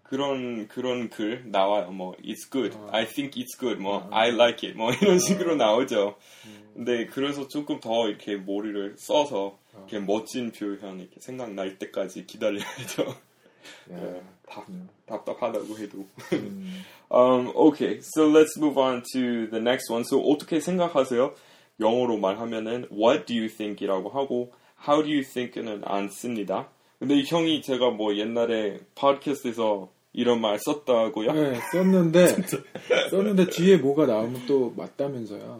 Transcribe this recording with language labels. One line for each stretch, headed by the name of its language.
Korean: 그런 글 나와요. 뭐
English: it's good, I think it's good,
Korean: 뭐
English: I like it,
Korean: 뭐 이런 식으로 나오죠. 근데 그래서 조금 더 이렇게 머리를 써서 이렇게 멋진 표현 이렇게 생각 날 때까지 기다려야죠. 답답하다고 해도.
English: okay, so let's move on to the next one.
Korean: So 어떻게 생각하세요? 영어로 말하면은
English: what do you think
Korean: 이라고 하고
English: how do you think
Korean: 은 안 씁니다. 근데 형이 제가 뭐 옛날에 팟캐스트에서 이런 말 썼다고요? 네, 썼는데 썼는데 뒤에 뭐가 나오면 또 맞다면서요.